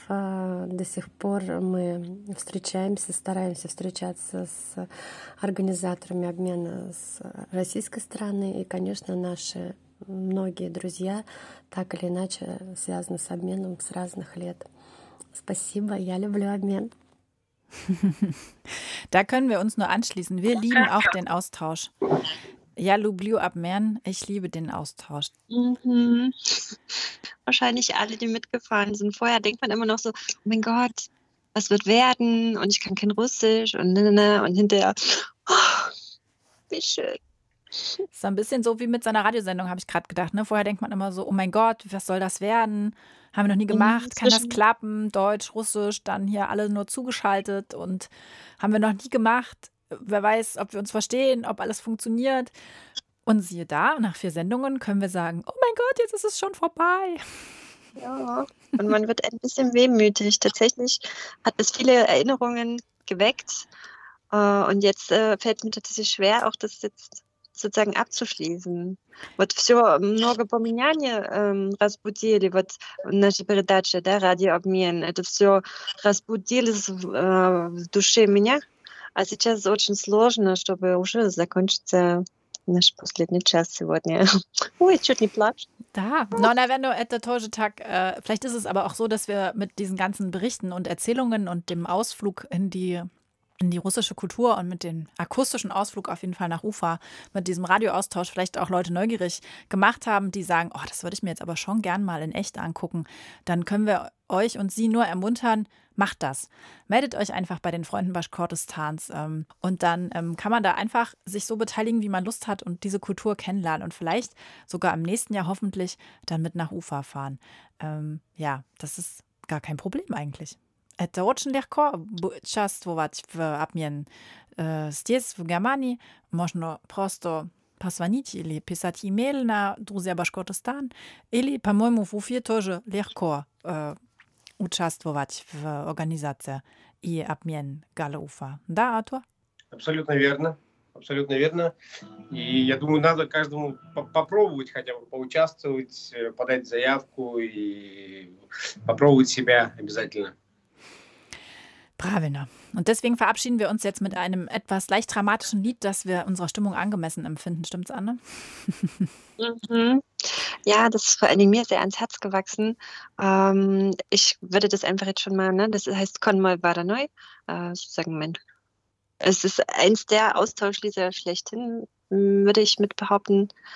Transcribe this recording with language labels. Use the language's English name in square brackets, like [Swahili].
[Russian] До сих пор мы встречаемся, стараемся встречаться с организаторами обмена с российской стороны. И, конечно, наши многие друзья так или иначе связаны с обменом с разных лет. Спасибо, я люблю обмен. [German] Da können wir uns nur anschließen. Wir lieben auch den Austausch. Ja, [Russian] Lublio Abmern, [German] ich liebe den Austausch. Mhm. Wahrscheinlich alle, die mitgefahren sind. Vorher denkt man immer noch so, oh mein Gott, was wird werden? Und ich kann kein Russisch und ne. Und hinterher, oh, wie schön. So ein bisschen so wie mit seiner Radiosendung, habe ich gerade gedacht. Ne? Vorher denkt man immer so, oh mein Gott, was soll das werden? Haben wir noch nie gemacht, kann das klappen? Deutsch, Russisch, dann hier alle nur zugeschaltet und haben wir noch nie gemacht. Wer weiß, ob wir uns verstehen, ob alles funktioniert. Und siehe da, nach 4 Sendungen können wir sagen, oh mein Gott, jetzt ist es schon vorbei. Ja, und man wird ein bisschen wehmütig. Tatsächlich hat es viele Erinnerungen geweckt. Und jetzt fällt mir tatsächlich schwer, auch das jetzt sozusagen abzuschließen. [Russian] Вот все, много поменяний разбудили, вот наша передача, да, радиообмен, это все разбудилось в душе меня, а сейчас очень сложно, чтобы уже закончиться наш последний час сегодня. Ой, чуть не плачу. Да, но, наверное, это тоже так, [German] vielleicht ist es aber auch so, dass wir mit diesen ganzen Berichten und Erzählungen und dem Ausflug in die russische Kultur und mit dem akustischen Ausflug auf jeden Fall nach Ufa, mit diesem Radioaustausch vielleicht auch Leute neugierig gemacht haben, die sagen, oh, das würde ich mir jetzt aber schon gern mal in echt angucken. Dann können wir euch und sie nur ermuntern, macht das. Meldet euch einfach bei den Freunden Baschkortistans und dann kann man da einfach sich so beteiligen, wie man Lust hat und diese Kultur kennenlernen und vielleicht sogar im nächsten Jahr hoffentlich dann mit nach Ufa fahren. Ja, das ist gar kein Problem eigentlich. [Russian] Это очень легко участвовать в обмен здесь, в Германии. Можно просто позвонить или писать имейл на друзья Башкортостан. Или, по-моему, в Уфе тоже легко участвовать в организации и обмен Гала-Уфа. Да, Артур? Абсолютно верно. Абсолютно верно. И я думаю, надо каждому попробовать хотя бы поучаствовать, подать заявку и попробовать себя обязательно. Bravina. [German] Und deswegen verabschieden wir uns jetzt mit einem etwas leicht dramatischen Lied, das wir unserer Stimmung angemessen empfinden. Stimmt's, Anne? Ja, das ist vor allem mir sehr ans Herz gewachsen. Ich würde das einfach jetzt schon mal, ne? Das heißt Konmol Badanoi, sozusagen mein. Es ist eins der Austauschlieder schlechthin, würde ich mit behaupten.